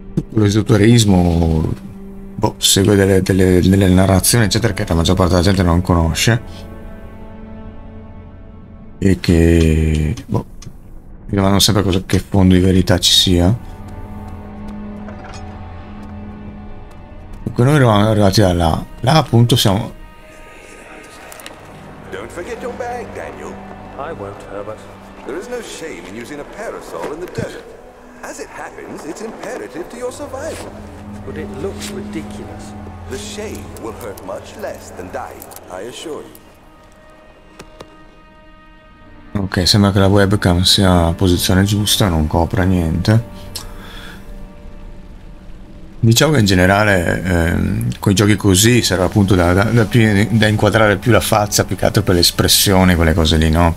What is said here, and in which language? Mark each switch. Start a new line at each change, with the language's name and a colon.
Italian: l'esoterismo... segue delle narrazioni eccetera che la maggior parte della gente non conosce e che mi domando sempre cosa, che fondo di verità ci sia. Dunque noi eravamo arrivati da là, là appunto siamo.
English: Don't forget your bag, Daniel. I won't, Herbert. There is no shame in using a parasol in the desert. As it happens, it's imperative to your survival. But it looks ridiculous. The shade will hurt much less than dying, I assure you.
Italian: Ok, sembra che la webcam sia a posizione giusta, non copra niente. Diciamo che in generale con i giochi così serve appunto da inquadrare più la faccia, più che altro per le espressioni, quelle cose lì, no?